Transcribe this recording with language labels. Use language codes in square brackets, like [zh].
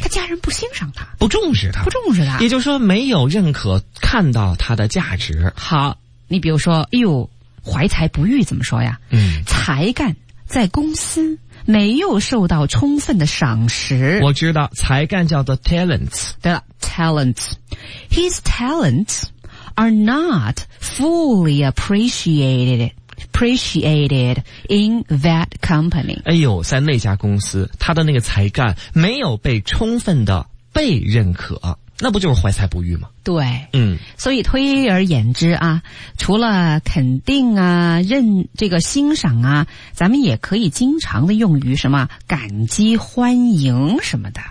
[zh] 他家人不欣赏他，不重视他，不重视他，也就是说没有认可看到他的价值。好，你比如说哎呦，怀才不遇怎么说呀？才干在公司没有受到充分的赏识。我知道，才干叫做 talents。对了 [en] ，talents， his talents are not fully appreciated in that company。 [zh] 哎呦，在那家公司，他的那个才干没有被充分的被认可。那不就是怀才不遇吗？对，嗯，所以推而言之啊，除了肯定啊，认这个欣赏啊，咱们也可以经常的用于什么感激、欢迎什么的。